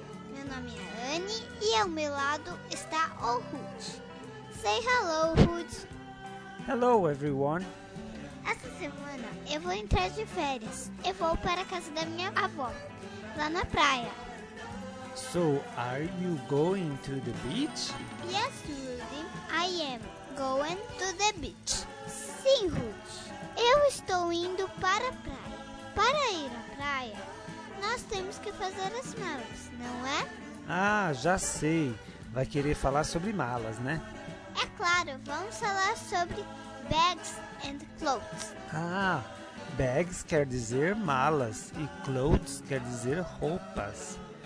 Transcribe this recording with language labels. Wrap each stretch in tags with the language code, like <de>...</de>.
<pt>Meu nome é Anne e ao meu lado está o Ruth.</pt> <en>Say hello, Ruth. Hello, everyone.</en> <pt>Essa semana eu vou entrar de férias. Eu vou para a casa da minha avó, lá na praia.</pt> <en>So, are you going to the beach? Yes, Rudy. I am going to the beach.</en> <pt>Sim, Ruth. Eu estou indo para a praia. Para ir à praia, nós temos que fazer as malas, não é? Ah, já sei. Vai querer falar sobre malas, né? É claro, vamos falar sobre</pt> <en>bags and clothes.</en> <pt>Ah, bags quer dizer malas e clothes quer dizer roupas.</pt>